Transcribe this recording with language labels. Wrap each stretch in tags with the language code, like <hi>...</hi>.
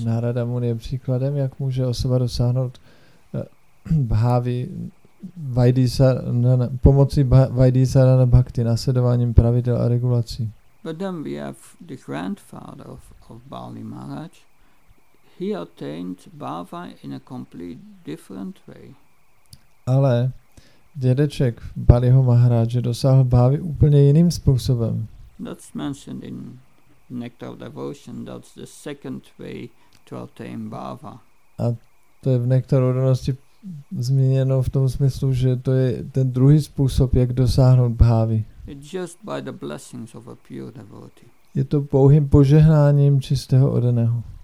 <cs>Narada Muni je příkladem, jak může osoba dosáhnout bhavi vaidisadhana, pomocí vaidisadhana bhakti, nasledováním pravidel a regulací.</cs> <en>But then we have the grandfather of Bali Maharaj. He attained bhava in a complete different way.</en> <cs>Ale dědeček Baliho Maharaje dosáhl bhavy úplně jiným způsobem.</cs> <en>That's mentioned in Nectar of Devotion. That's the second way to attain bhava.</en> <cs>A to je v Nektaru odanosti zmíněno v tom smyslu, že to je ten druhý způsob, jak dosáhnout bhavy.</cs> <en>It's just by the blessings of a pure devotee.</en> <cs>Je to pouhým požehnáním čistého oddaného.</cs>